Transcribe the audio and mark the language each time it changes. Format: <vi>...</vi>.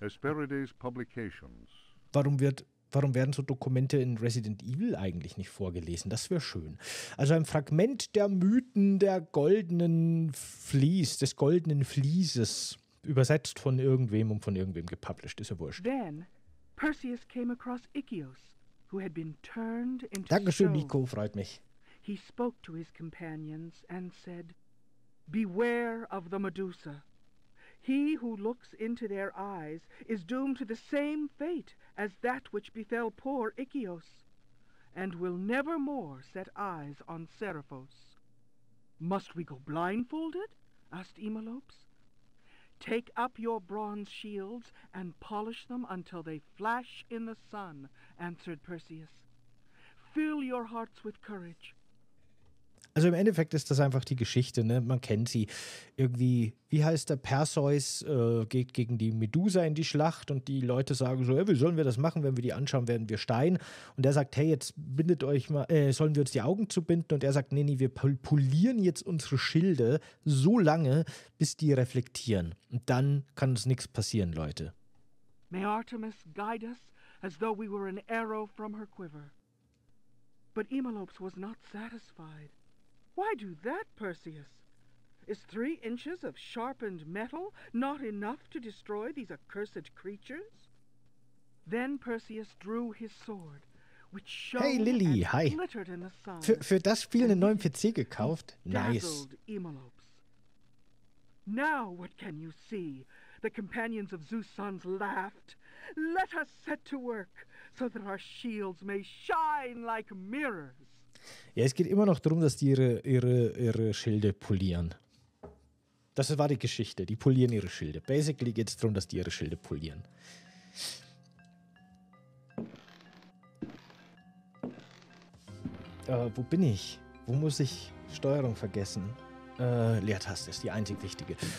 <en>Hesperides Publications.</en> <de>Warum werden so Dokumente in Resident Evil eigentlich nicht vorgelesen? Das wäre schön. Also ein Fragment der Mythen der goldenen Vlies, des goldenen Vlieses, übersetzt von irgendwem und von irgendwem gepublished, ist ja wurscht.</de> <en>Then, Perseus came across Ichios, who had been turned into</en> <de>Dankeschön,</de> <en>stone.</en> <de>Nico, freut mich.</de> <en>He spoke to his companions and said, Beware of the Medusa. He who looks into their eyes is doomed to the same fate as that which befell poor Ichios, and will never more set eyes on Seraphos. Must we go blindfolded? Asked Imalopes. Take up your bronze shields and polish them until they flash in the sun, answered Perseus. Fill your hearts with courage.</en> <de>Also im Endeffekt ist das einfach die Geschichte, ne? Man kennt sie. Irgendwie, wie heißt der Perseus, geht gegen die Medusa in die Schlacht und die Leute sagen so, hey, wie sollen wir das machen, wenn wir die anschauen, werden wir Stein. Und er sagt, hey, jetzt bindet euch mal, sollen wir uns die Augen zubinden? Und er sagt, nee, nee, wir polieren jetzt unsere Schilde so lange, bis die reflektieren. Und dann kann uns nichts passieren, Leute.</de> <en>May Artemis guide us, as though we were an arrow from her quiver. But Imalopes was not satisfied. Why do that, Perseus? Is 3 inches of sharpened metal not enough to destroy these accursed creatures? Then Perseus drew his sword, which shone hey, Lily, and hi. Glittered in the sun.</en> <de>Für das Spiel einen neuen PC gekauft?</de> <en>Nice. Now what can you see? The companions of Zeus' sons laughed. Let us set to work, so that our shields may shine like mirrors.</en> <de>Ja, es geht immer noch darum, dass die ihre Schilde polieren. Das war die Geschichte. Die polieren ihre Schilde. Basically geht es darum, dass die ihre Schilde polieren. Wo bin ich? Wo muss ich Steuerung vergessen? Leertaste ist die einzig wichtige.</de>